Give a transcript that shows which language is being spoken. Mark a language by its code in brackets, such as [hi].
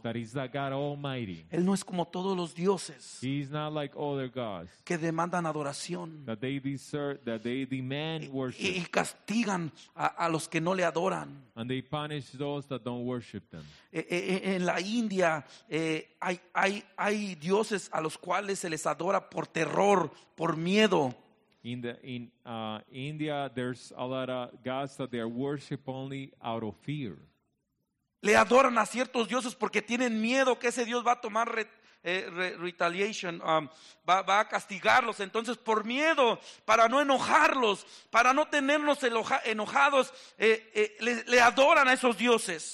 [en] That is the God Almighty. [es] Él no es como todos los dioses. [en] He is not like other gods. [es] Que demandan adoración. [en] That they demand worship. [es] Y castigan a los que no le adoran. [en] And they punish those that don't worship them. [es] En la India hay dioses a los cuales se les adora por terror, por miedo. [en] In India, there's a lot of gods that they are worship only out of fear. [es] Le adoran a ciertos dioses porque tienen miedo que ese dios va a tomar retaliation, va a castigarlos. Entonces, por miedo, para no enojarlos, para no tenerlos enojados, le adoran a esos dioses.